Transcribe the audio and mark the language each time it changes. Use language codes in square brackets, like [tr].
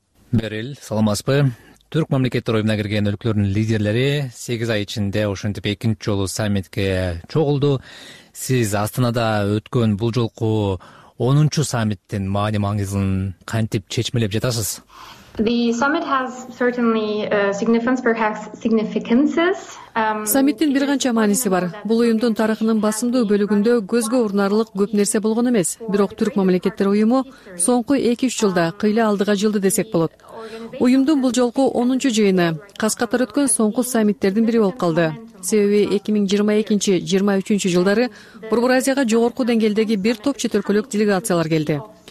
[ky] Берил, саламатсызбы. Түрк мамлекеттер уюмуна кирген өлкөлөрдүн лидерлери 8 ай ичинде ушинтип экинчи жолу саммитке чогулду. Сиз Астанада өткөн бул жолку 10-чу саммиттин маани маңызын кантип чечмелеп жатасыз? [en] The summit has certainly significance, perhaps significances. [ky] Саммиттин бир канча мааниси бар. Бул уюмдун тарыхынын басымдуу бөлүгүндө көзгө урнарлык көп нерсе болгон эмес. Бирок Түрк мамлекеттер уюму соңку 2-3 жылда кыйла алдыга жылды десек болот. Уюмдун бул жолку 10-чу жыйыны кас катар өткөн соңку саммиттердин бири болуп калды. Себеби 2022-23 жылдары Борбор Азияга жогорку деңгээлдеги бир топ чет өлкөлүк делегациялар келди.